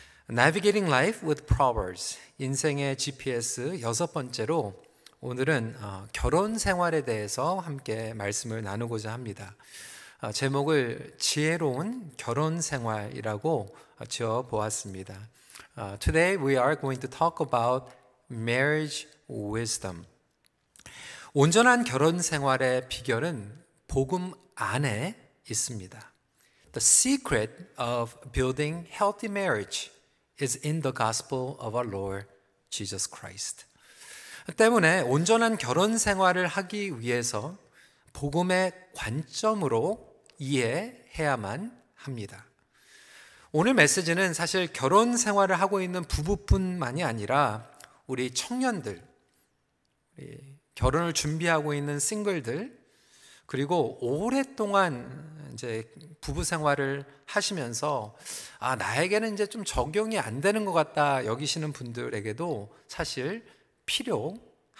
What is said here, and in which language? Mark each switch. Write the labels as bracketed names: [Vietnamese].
[Korean] Navigating Life with Proverbs, 인생의 GPS 여섯 번째로 오늘은 결혼 생활에 대해서 함께 말씀을 나누고자 합니다. 제목을 지혜로운 결혼 생활이라고 지어 보았습니다. [English] Today we are going to talk about marriage wisdom. [Korean] 온전한 결혼 생활의 비결은 복음 안에 있습니다. [English] The secret of building healthy marriage is in the gospel of our Lord Jesus Christ. [Korean] 때문에 온전한 결혼 생활을 하기 위해서 복음의 관점으로 이해해야만 합니다. 오늘 메시지는 사실 결혼 생활을 하고 있는 부부뿐만이 아니라 우리 청년들, 결혼을 준비하고 있는 싱글들, 그리고 오랫동안 이제 부부 생활을 하시면서 나에게는 이제 좀 적용이 안 되는 것 같다 여기시는 분들에게도 사실 필요합니다.